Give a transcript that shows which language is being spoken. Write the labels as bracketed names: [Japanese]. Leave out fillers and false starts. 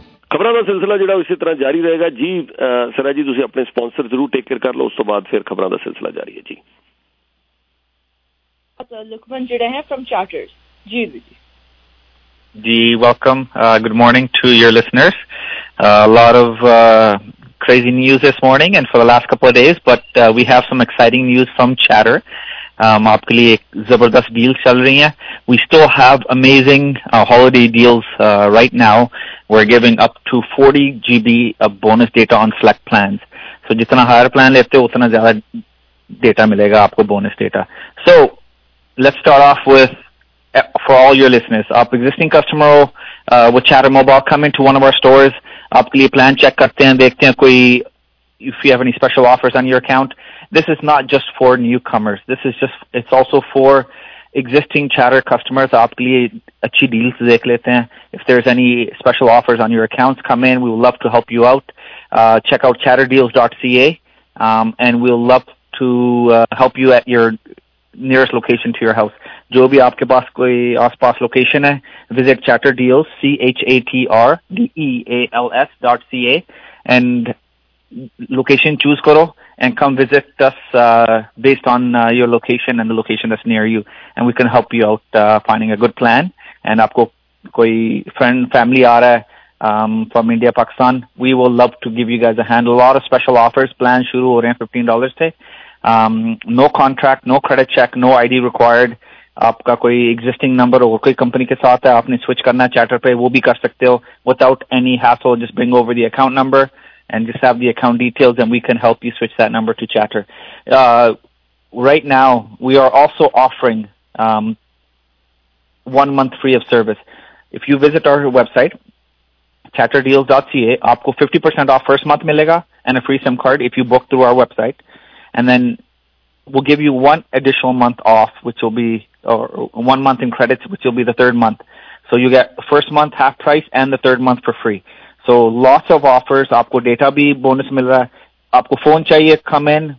[Punjabi] ਖਬਰਾਂ ਦਾ ਸਿਲਸਿਲਾ ਜਿਹੜਾ ਇਸੇ ਤਰ੍ਹਾਂ ਜਾਰੀ ਰਹੇਗਾ ਜੀ। ਸਰਾ ਜੀ ਤੁਸੀਂ ਆਪਣੇ ਸਪੌਂਸਰ ਜ਼ਰੂਰ [English] take care [Punjabi] ਕਰ ਲਓ, ਉਸ ਤੋਂ ਬਾਅਦ ਫਿਰ ਖਬਰਾਂ ਦਾ ਸਿਲਸਿਲਾ ਜਾਰੀ ਹੈ ਜੀ। ਲੁਕਮਨ ਜਿਹੜਾ ਹੈ ਫਰਮ ਚਾਰਟਰਸ ਜੀ [English] Welcome, good morning to your listeners. Lot of crazy news this morning and for the last couple of days, but we have some exciting news from Chatter. [Hindi] आपके लिए एक ज़बरदस्त डील चल रही है। [English] We still have amazing holiday deals right now. We're giving up to 40 GB of bonus data on select plans. [Hindi] So जितना [English] higher plan [Hindi] लेते हो उतना ज़्यादा डेटा मिलेगा आपको [English] bonus data. So let's start off with, for all your listeners, [Hindi] aap existing customer ho, [English] with Chatter Mobile, come into one of our stores. [Hindi] आपके लिए plan check करते हैं, देखते हैं कोई, [English] if you have any special offers on your account. This is not just for newcomers. This is just, it's also for existing Chatter customers. [Hindi] आपके लिए अच्छी डील्स देख लेते हैं। [English] If there's any special offers on your accounts, come in. We would love to help you out. Check out chatterdeals.ca, and we'll love to help you at your nearest location to your house. [Hindi] Jo bhi aapke paas koi aas-paas location hai, [English] visit chatterdeals, chatterdeals.ca, and [Hindi] location choose karo [English] and come visit us based on your location and the location that's near you, and we can help you out finding a good plan. And [Hindi] आपको कोई friend family आ रहा है [English] from India, Pakistan, we will love to give you guys a hand. A lot of special offers, [Hindi] plan शुरू हो रहे हैं $15 से. [English] No contract, no credit check, no ID required. [Hindi] आपका कोई existing number or कोई company के साथ है, आपने switch करना है Chatter पे, वो भी कर सकते हो [English] without any hassle. Just bring over the account number and just have the account details and we can help you switch that number to Chatter. Right now, we are also offering 1 month free of service. If you visit our website, chatterdeals.ca, [Hindi] aapko 50% off first month milega [English] and a free SIM card if you book through our website. And then we'll give you one additional month off, which will be, or 1 month in credits, which will be the third month. So you get first month half price and the third month for free. So lots of offers. [Hindi] आपको data भी bonus मिल रहा है। आपको phone चाहिए, [English] come in.